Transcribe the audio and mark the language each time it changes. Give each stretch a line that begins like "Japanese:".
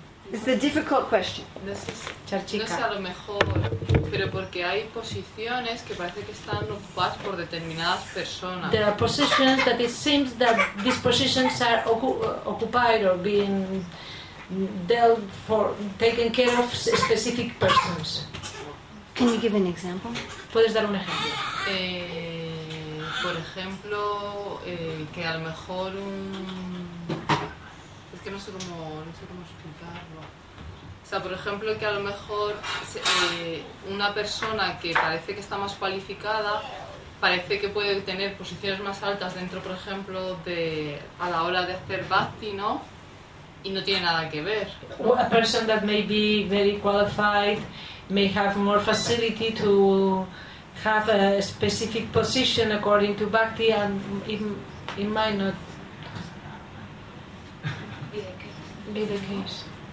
English: It's a difficult question.
Spanish: No es a lo mejor, pero porque hay posiciones que parece que están ocupadas por determinadas personas.
English: There are positions that it seems that these positions are occupied or being dealt for, taken care of specific persons. Can you give an example?
Spanish: ¿Puedes dar un ejemplo? Por ejemplo, que a lo mejor un... Es que no sé cómo explicarlo. O sea, por ejemplo, que a lo mejor una persona que parece que está más cualificada parece que puede tener posiciones más altas dentro, por ejemplo, de a la hora de hacer bhakti, ¿no? Y no tiene nada que ver.
English: A person that may be very qualified may have more facility to have a specific position according to bhakti, and it might not be the case.